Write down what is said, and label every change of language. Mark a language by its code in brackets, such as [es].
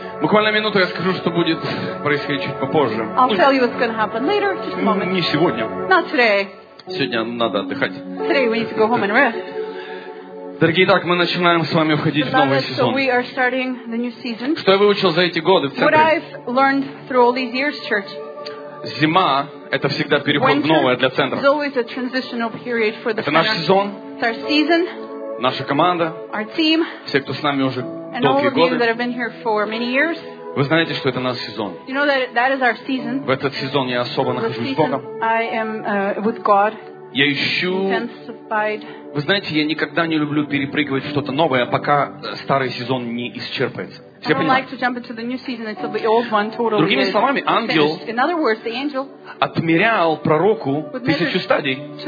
[ru] Буквально минуту, я скажу, что будет происходить чуть попозже. [en] I'll tell you what's going to happen later. Just a moment. [ru] Не сегодня. [en] Not today. [ru] Сегодня надо отдыхать. [en] Today we need to go home and rest. [ru] Дорогие, так мы начинаем с вами входить в новый сезон. [en] So we are starting the new season. [ru] Что я выучил за эти годы в центре? [en] What I've learned through all these years, church. [ru] Зима — это всегда переход в новое для центра. [en] Winter is always a transitional period for the [ru] center. Это наш сезон. [en] It's our season. [ru] Наша команда. [en] Our team. [ru] Все, кто с нами уже [en] and [ru] долгие годы. [en] And all of you that have been here for many years. [ru] Вы знаете, что это наш сезон. [en] You know that that is our season. [ru] В этот сезон я особо нахожусь с Богом. [en] I am with God. [ru] Я ищу. Вы знаете, я никогда не люблю перепрыгивать в что-то новое, пока старый сезон не исчерпается. Все понимают? Другими словами, ангел отмерял пророку тысячу стадий.